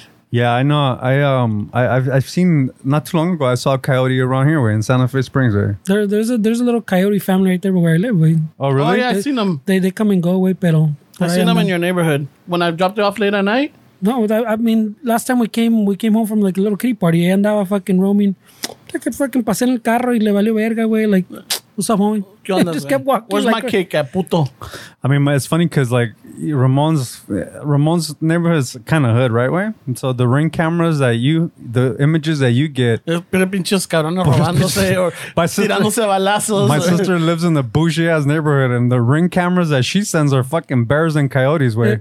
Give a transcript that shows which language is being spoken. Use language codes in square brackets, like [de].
[en] Yeah, I know. I've seen, not too long ago, I saw a coyote around here, Way, in Santa Fe Springs, Way. There's a little coyote family right there where I live, Way. Oh, really? Oh, yeah, I've seen them. They come and go, Way, pero. I've seen them in your neighborhood. When I dropped it off late at night? No, I mean, last time we came home from like a little kitty party. I andaba fucking roaming. [es] Like, fucking pasé en el carro y le valió verga, Way. [en] Like, what's up, homie? [es] Onda, [en] just kept walking. Where's like, my cake at, puto? I mean, it's funny because, like, Ramon's neighborhood is kind of hood, right, Way? And so the ring cameras that you, the images that you get. [es] Pero pinches cabrones robándose or tirándose balazos. [en] My sister lives in the bougie-ass neighborhood, and the ring cameras that she sends are fucking bears and coyotes, Way.